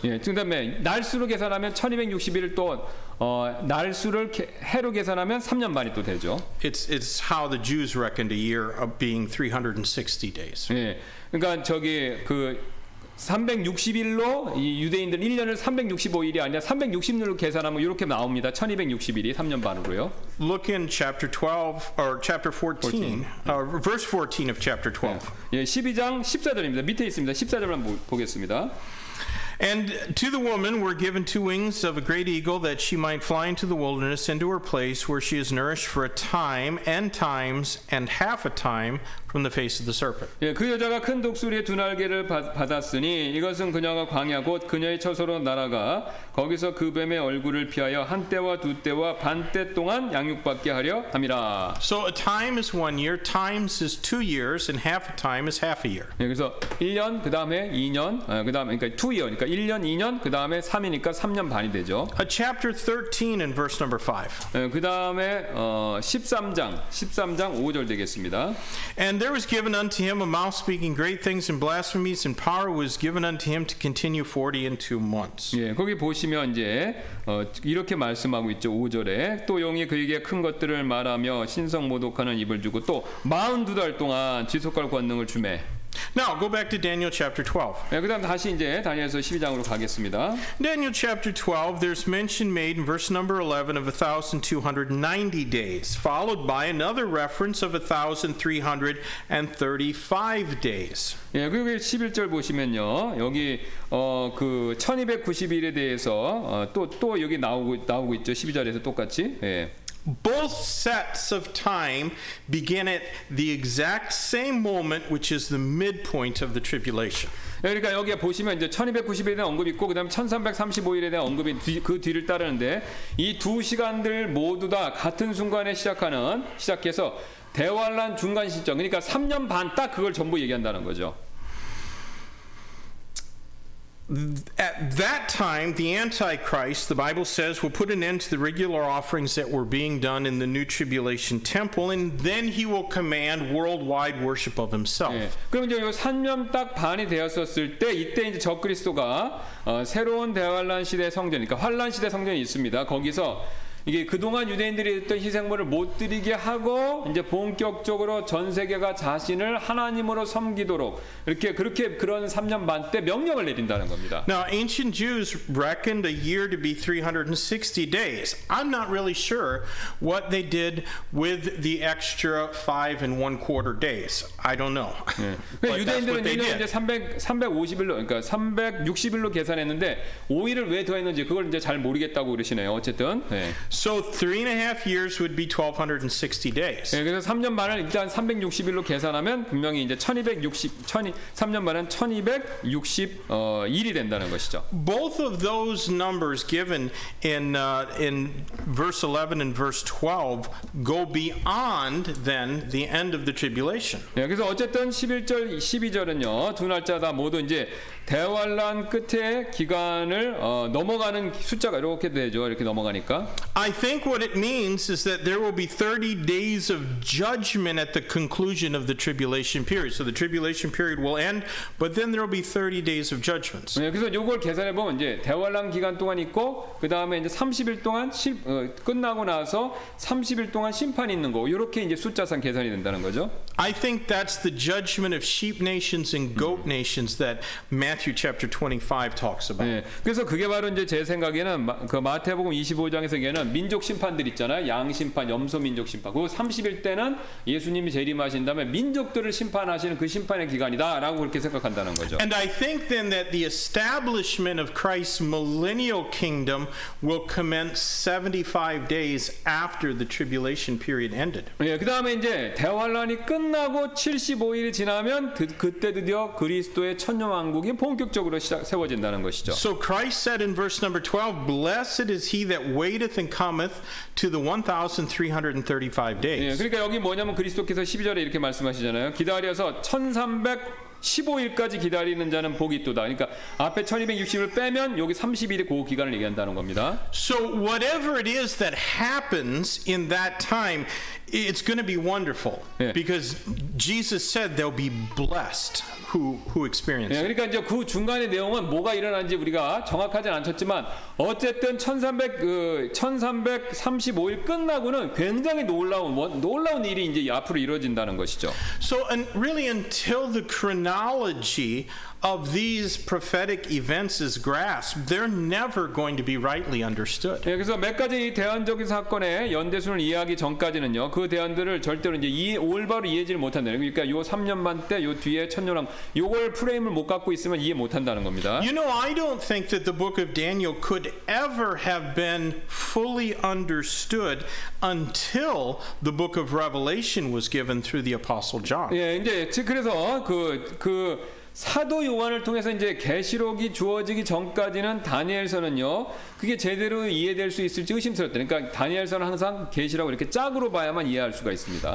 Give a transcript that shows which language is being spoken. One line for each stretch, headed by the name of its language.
Korean: 예, 그다음에 날수로 계산하면 1,261일 또 날수를 해로 계산하면 3년 반이 또 되죠.
English: It's how the Jews reckoned a year of being 360 days.
Korean: 예, 그러니까 저기 그 360일로 이 유대인들 1년을 365일이 아니라 360일로 계산하면 이렇게 나옵니다. 1260일이 3년 반으로요.
English: Look in chapter 12 or chapter 14. Verse 14 of chapter 12.
Korean: 예, 12장 14절입니다. 밑에 있습니다. 14절만 보겠습니다.
English: And to the woman were given two wings of a great eagle that she might fly into the wilderness into her place where she is nourished for a time and times and half a time from the face of the serpent.
Korean: 예, 그 여자가 큰 독수리의 두 날개를 받았으니 이것은 그녀가 광야 곧 그녀의 처소로 날아가 거기서 그 뱀의 얼굴을 피하여 한 때와 두 때와 반때 동안 양육받게 하려 함이라.
English: So a time is 1 year, times is 2 years, and half a time is half a year.
Korean: 예, 그래서 1년 그다음에 2년 아, 그다음에 그러니까 2년 그러니까 1년, 2년, 그 다음에 3이니까 3년 반이 되죠.
English: A chapter 13 in verse number 5.
Korean: 그 다음에 13장 5절 되겠습니다.
English: And there was given unto him a mouth speaking great things and blasphemies, and power was given unto him to continue 40 and 2 months.
Korean: 예, 거기 보시면 이제 이렇게 말씀하고 있죠. 5절에 또 용이 그에게 큰 것들을 말하며 신성 모독하는 입을 주고 또 42달 동안 지속할 권능을 주매.
English: Now go back to Daniel chapter 12.
Korean: 예, 그다음 다시 이제 다니엘서 12장으로 가겠습니다.
English: Daniel chapter 12, there's mention made in verse number 11 of 1,290 days, followed by another reference of 1,335 days.
Korean: 예, 그리고 11절 보시면요, 여기 그 1,290일에 대해서 또 여기 나오고 있죠. 12절에서 똑같이. 예.
English: Both sets of time begin at the exact same moment, which is the midpoint of the tribulation.
Korean: 그러니까 여기 보시면 이제 1290일에 대한 언급이 있고 그다음 1335일에 대한 언급이 그 뒤를 따르는데 이 두 시간들 모두 다 같은 순간에 시작해서 대환란 중간 시점 그러니까 3년 반 딱 그걸 전부 얘기한다는 거죠.
English: At that time, the Antichrist, the Bible says, will put an end to the regular offerings that were being done in the New Tribulation Temple, and then he will command worldwide worship of himself.
Korean: 그럼 이제 3년 딱 반이 되었었을 때, 이때 이제 적그리스도가 새로운 대환란 시대 성전, 그러니까 환란 시대 성전이 있습니다. 거기서 이게 그동안 유대인들이 했던 희생물을 못 드리게 하고 이제 본격적으로 전 세계가 자신을 하나님으로 섬기도록 이렇게 그렇게 그런 3년 반 때 명령을 내린다는 겁니다.
English: Now ancient Jews reckoned a year to be 360 days. I'm not really sure what they did with the extra 5 1/4 days. I don't know.
Korean: 네. 유대인들은 이제 350일로 그러니까 360일로 계산했는데 5일을 왜 더했는지 그걸 이제 잘 모르겠다고 그러시네요. 어쨌든. 네.
English: So 3.5 years would be 1260 days.
Korean: 예, 그래서 3년 반을 일단 360일로 계산하면 분명히 이제 3년 반은 1260일이 된다는 것이죠.
English: Both of those numbers given in verse 11 and verse 12 go beyond then the end of the tribulation.
Korean: 예, 그래서 어쨌든 11절, 12절은요. 두 날짜 다 모두 이제 대환란 끝에 기간을 넘어가는 숫자가 이렇게 되죠. 이렇게 넘어가니까.
English: I think what it means is that there will be 30 days of judgment at the conclusion of the tribulation period. So the tribulation period will end, but then there will be 30 days of judgments.
Korean: 네, 그래서 요걸 계산해 보면 이제 대환란 기간 동안 있고 그다음에 이제 30일 동안 끝나고 나서 30일 동안 심판이 있는 거. 요렇게 이제 숫자상 계산이 된다는 거죠.
English: I think that's the judgment of sheep nations and goat nations that Matthew chapter 25 talks about.
Korean: 네, 그래서 그게 바로 이제 제 생각에는 그 마태복음 25장에서 얘기하는 민족 심판들 있잖아요. 양 심판, 염소 민족 심판. 그 30일 때는 예수님이 재림하신 다음에 민족들을 심판하시는 그 심판의 기간이다라고 그렇게 생각한다는 거죠.
English: And I think then that the establishment of Christ's millennial kingdom will commence 75 days after the tribulation period ended.
Korean: 네, 그다음에 이제 대환란이 끝나고 75일이 지나면 그때 드디어 그리스도의 천년왕국
English: So Christ said in verse number 12, "Blessed is he that waiteth and cometh to the 1,335 days."
Korean: 예, 그러니까 여기 뭐냐면 그리스도께서 12절에 이렇게 말씀하시잖아요. 기다려서 1,315일까지 기다리는 자는 복이 있도다. 그러니까 앞에 1,260을 빼면 여기 30일이 그 기간을 얘기한다는 겁니다.
English: So whatever it is that happens in that time, it's going to be wonderful because Jesus said they'll be blessed who experience.
Korean: 예, 그러니까 이제 그 중간의 내용은 뭐가 일어난지 우리가 정확하진 않았지만 어쨌든 1,335일 끝나고는 굉장히 놀라운 일이 이제 앞으로 이루어진다는 것이죠.
English: So and really until the chronology of these prophetic events is grasped, they're never going to be rightly understood.
Korean: 예, 그래서 몇 가지 대안적인 사건의 연대순을 이해하기 전까지는요, 그 대안들을 절대로 이제 올바로 이해질 못한다는. 그러니까 요 3년 반 때, 요 뒤에 천년왕, 요걸 프레임을 못 갖고 있으면 이해 못한다는 겁니다.
English: You know, I don't think that the book of Daniel could ever have been fully understood until the book of Revelation was given through the Apostle John.
Korean: 예, 이제 그래서 그 사도 요한을 통해서 이제 계시록이 주어지기 전까지는 다니엘서는요 그게 제대로 이해될 수 있을지 의심스럽다. 그러니까 다니엘서는 항상 계시라고 이렇게 짝으로 봐야만 이해할 수가 있습니다.